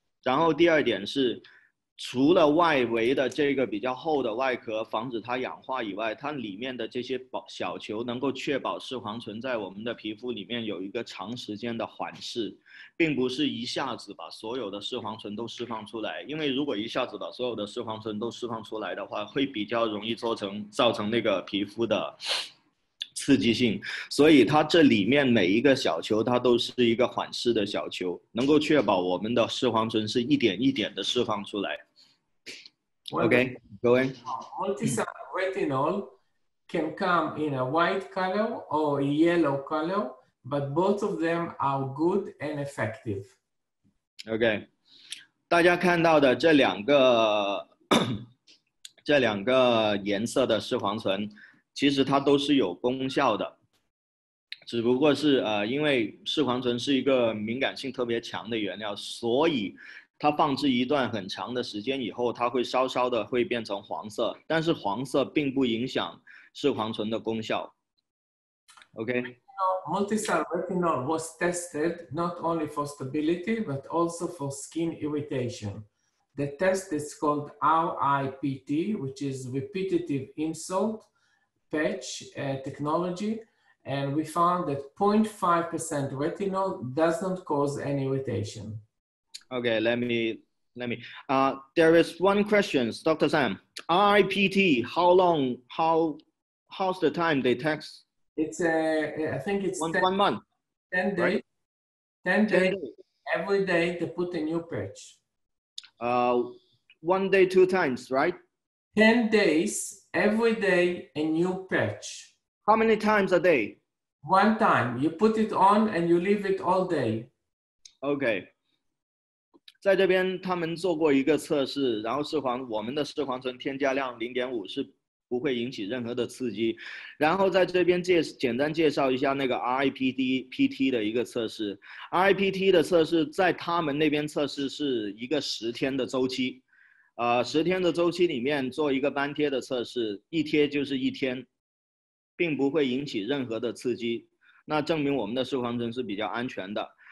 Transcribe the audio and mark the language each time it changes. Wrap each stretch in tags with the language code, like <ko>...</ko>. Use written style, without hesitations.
<zh>然后第二点是, 除了外围的这个比较厚的外壳防止它氧化以外，它里面的这些小球能够确保视黄醇在我们的皮肤里面有一个长时间的缓释，并不是一下子把所有的视黄醇都释放出来，因为如果一下子把所有的视黄醇都释放出来的话，会比较容易造成那个皮肤的刺激性。所以它这里面每一个小球它都是一个缓释的小球，能够确保我们的视黄醇是一点一点的释放出来。</zh> <en>Okay, go in. Multisal retinol can come in a white color or a yellow color, but both of them are good and effective. Okay.</en> <zh>大家看到的这两个这两个颜色的视黄醇，其实它都是有功效的，只不过是因为视黄醇是一个敏感性特别强的原料，所以它放置一段很长的时间以后，它会稍稍的会变成黄色，但是黄色并不影响视黄醇的功效。</zh> <en>OK。 Multicell retinol was tested not only for stability but also for skin irritation. The test is called RIPT, which is repetitive insult patch technology, and we found that 0.5% retinol doesn't cause any irritation. Okay, let me. There is one question, Dr. Sam. RIPT, how's the time they test? It's I think it's one month. 10 days. Right? 10 days. Every day they put a new patch. One day, two times, right? 10 days, every day, a new patch. How many times a day? One time. You put it on and you leave it all day. Okay.</en> <zh>在这边他们做过一个测试，然后视黄，我们的视黄醇添加量 0.5 是不会引起任何的刺激。然后在这边简单介绍一下那个 RIPT 的一个测试。 RIPT 的测试在他们那边测试是一个十天的周期，十天的周期里面做一个斑贴的测试，一贴就是一天，并不会引起任何的刺激，那证明我们的视黄醇是比较安全的。</zh>